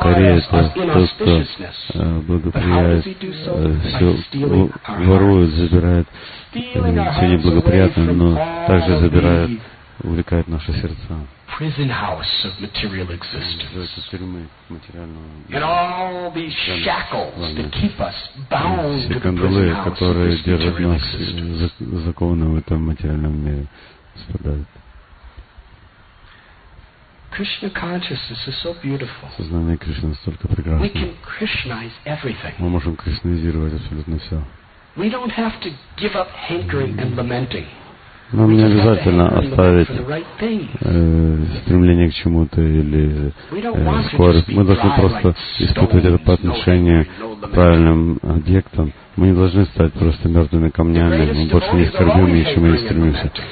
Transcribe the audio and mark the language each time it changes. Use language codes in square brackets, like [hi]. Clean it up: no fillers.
[ru] Хари — это тот, кто благоприятие, все ворует, забирает все неблагоприятное, но также забирает, увлекает наши сердца. [en] Prison house of material existence. And all these shackles that keep us bound to the prison house of material existence. [ru] Закованы в этом материальном мире, спадают. [en] Krishna consciousness is so beautiful. [ru] Сознание Кришны настолько прекрасно. [en] We can Krishnaize everything. [ru] Мы можем кришнизировать абсолютно все. [en] We don't have to give up hankering and lamenting. [ru] Нам не обязательно оставить стремление к чему-то или скорбь. Мы должны просто испытывать это по отношению к правильным объектам. Мы не должны стать просто мертвыми камнями. Мы больше не скорбим, и чему не стремимся.